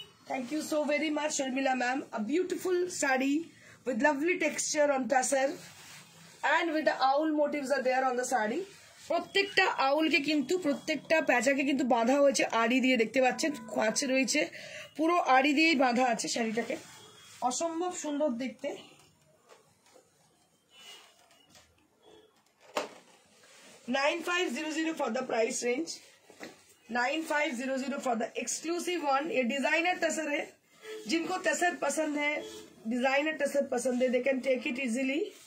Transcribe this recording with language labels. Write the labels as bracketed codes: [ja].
[en] Thank you so very much Sharmila ma'am, a beautiful sari with lovely texture on tussar and with the owl motifs are there on the sari. [bn] প্রত্যেকটা আউলকে কিন্তু প্রত্যেকটা প্যাঁচাকে কিন্তু বাঁধা হয়েছে আড়ি দিয়ে, দেখতে পাচ্ছেন খোঁচ রয়েছে, পুরো আড়ি দিয়েই বাঁধা আছে শাড়িটাকে, অসম্ভব সুন্দর দেখতে। [en] $9500 for the price range, $9500 for the exclusive one. [hi] ये designer tassar है, जिनको tassar पसंद है, designer tassar पसंद है, [en] they can take it easily.